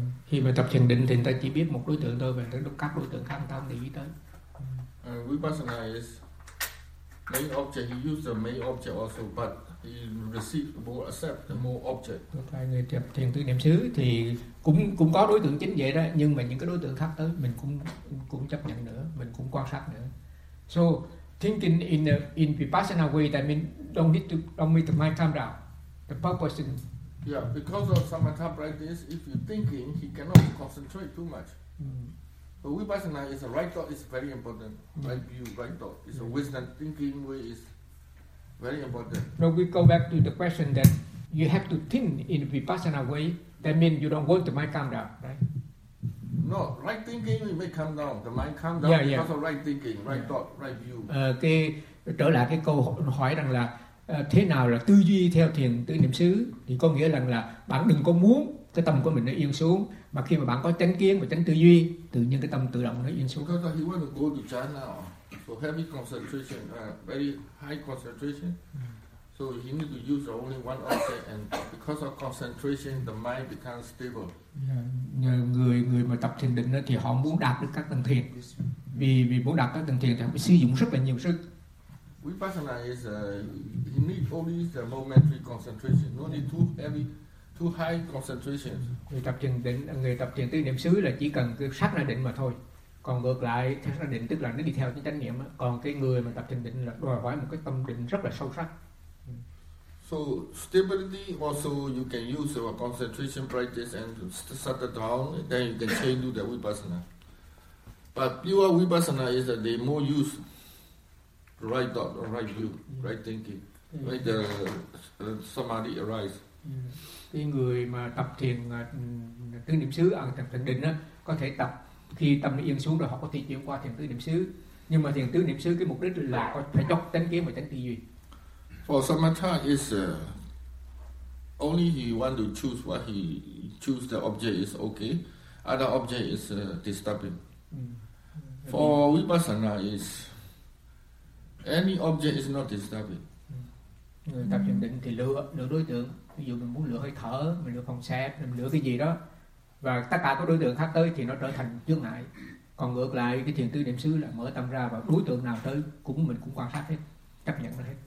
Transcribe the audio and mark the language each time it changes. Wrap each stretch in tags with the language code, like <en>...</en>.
<vi>Khi mà tập thiền định thì người ta chỉ biết một đối tượng thôi, và các đối tượng khác tâm để ý tới.</vi> <en>Vipassana is main object, he use the main object also, but he receive more, accept the more object.</en> <vi>Okay, người tập thiền tứ niệm xứ thì cũng có đối tượng chính vậy đó, nhưng mà những cái đối tượng khác tới mình cũng chấp nhận nữa, mình cũng quan sát nữa.</vi> <en>So thinking in Vipassana way, that mean don't need to mind time down. The purpose is yeah, because of samatha practice, if you thinking, he cannot concentrate too much. But Vipassana is a right thought is very important. Right view, right thought. It's a wisdom thinking way is very important. So we go back to the question that you have to think in Vipassana way. That means you don't want the mind calm down, right? No, right thinking you may calm down. The mind calm down because of right thinking, right thought, right view.</en> <vi>Trở lại cái câu hỏi rằng là thế nào là tư duy theo thiền tứ niệm xứ, thì có nghĩa rằng là bạn đừng có muốn cái tâm của mình nó yên xuống, mà khi mà bạn có chánh kiến và chánh tư duy, tự nhiên cái tâm tự động nó yên xuống.</vi> <en>Because he wants to go to China, so heavy concentration, very high concentration, so he need to use only one object, and because of concentration, the mind becomes stable.</en> <vi>Người mà tập thiền định đó, thì họ muốn đạt được các tầng thiền, vì muốn đạt các tầng thiền thì họ phải sử dụng rất là nhiều sức.</vi> <en>Vipassana is you need only the momentary concentration, no need too heavy, too high concentration.</en> <vi>Người tập thiền tứ niệm xứ là chỉ cần cái sát na định mà thôi. Còn ngược lại, sát na định tức là nó đi theo cái chánh niệm. Còn cái người mà tập thiền định là đòi hỏi một cái tâm định rất là sâu sắc.</vi> <en>So stability also you can use your concentration practice and shut it down, then you can change to the Vipassana. But pure Vipassana is that they more use. Right thought, right view, right thinking, when the samadhi arise.</en> <vi>Cái người mà tập thiền tứ niệm xứ, tập thiền định á, có thể tập khi tâm nó yên xuống rồi họ có thể chuyển qua thiền tứ niệm xứ. Nhưng mà thiền tứ niệm xứ cái mục đích là có phải chốc chánh kiến và chánh tư duy.</vi> <en>For samatha is only he want to choose what he choose the object is okay, other object is disturbing. For vipassana is any object is not disturbing.</en> <vi>Người tập thiền định thì lựa đối tượng. Ví dụ mình muốn lựa hơi thở, mình lựa phòng xẹp, mình lựa cái gì đó, và tất cả các đối tượng khác tới thì nó trở thành chướng ngại. Còn ngược lại, cái thiền tứ niệm xứ là mở tâm ra và đối tượng nào tới cũng mình cũng quan sát hết, chấp nhận hết.</vi>